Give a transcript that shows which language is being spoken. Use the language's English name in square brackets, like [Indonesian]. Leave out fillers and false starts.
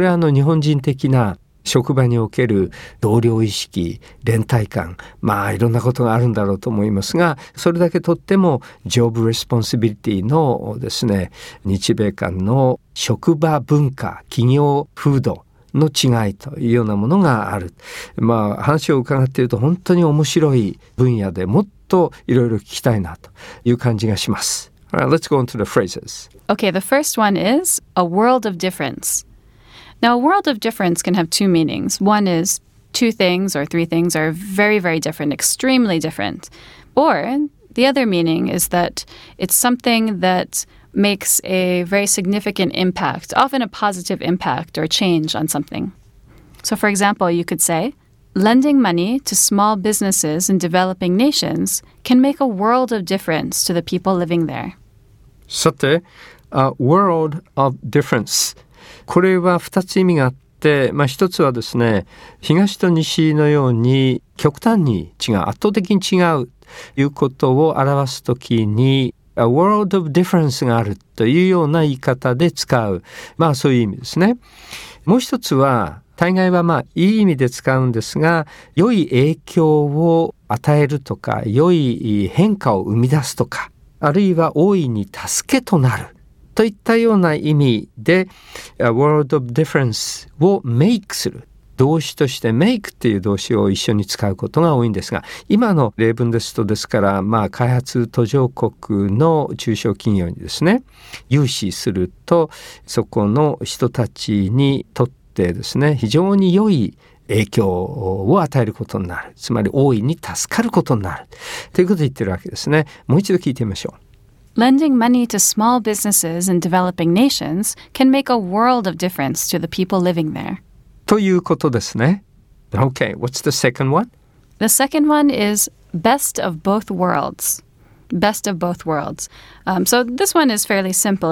[Japanese] これはあの日本人的な職場における同僚意識、連帯感、まあいろんなことがあるんだろうと思いますが、それだけとってもジョブレスポンシビリティのですね、日米間の職場文化、企業風土の違いというようなものがある。まあ話を伺っていると本当に面白い分野でもっといろいろ聞きたいなという感じがします。 [English] Alright, let's go on to the phrases. Okay, the first one is a world of difference. Now, a world of difference can have two meanings. One is two things or three things are very, very different, extremely different. Or the other meaning is that it's something that makes a very significant impact, often a positive impact or change on something. So, for example, you could say, lending money to small businesses in developing nations can make a world of difference to the people living there. [Japanese] さて、 [English] a world of difference. [Japanese] これは2つ意味があって、まあ、1つはですね東と西のように極端に違う圧倒的に違うということを表すときに [English] A world of difference [Japanese] があるというような言い方で使う、まあ、そういう意味ですね。もう1つは大概はまあいい意味で使うんですが良い影響を与えるとか良い変化を生み出すとかあるいは大いに助けとなるといったような意味で [English] A world of difference [Japanese] をメイクする動詞としてメイクっていう動詞を一緒に使うことが多いんですが今の例文ですとですから、まあ、開発途上国の中小企業にですね融資するとそこの人たちにとってですね非常に良い影響を与えることになるつまり大いに助かることになるということを言ってるわけですね。もう一度聞いてみましょう。 [English] Lending money to small businesses in developing nations can make a world of difference to the people living there. [Japanese] ということですね。 [English] Okay, what's the second one? The second one is best of both worlds. Best of both worlds. So this one is fairly simple.